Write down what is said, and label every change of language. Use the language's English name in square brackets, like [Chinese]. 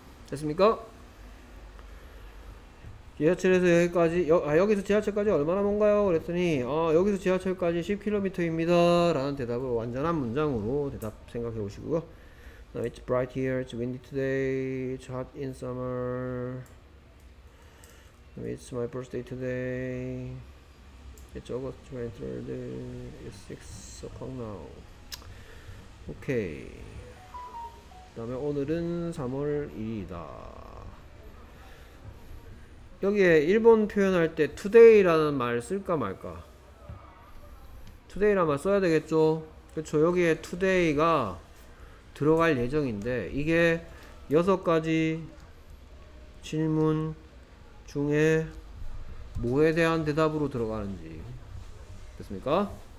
[Korean] 됐습니까? 지하철에서 여기까지 여기서 지하철까지 얼마나 먼가요? 그랬더니 여기서 지하철까지 10km입니다 라는 대답을 완전한 문장으로 대답 생각해 보시고요. [English] It's bright here, it's windy today, it's hot in summer, it's my birthday today, it's August 23rd, it's 6 o'clock now. Okay. [Korean] 그 다음에 오늘은 3월 1일이다. 여기에 일본 표현할 때 today라는 말 쓸까 말까? today라는 말 써야 되겠죠? 그렇죠. 여기에 today가 들어갈 예정인데 이게 6가지 질문 중에 뭐에 대한 대답으로 들어가는지 됐습니까?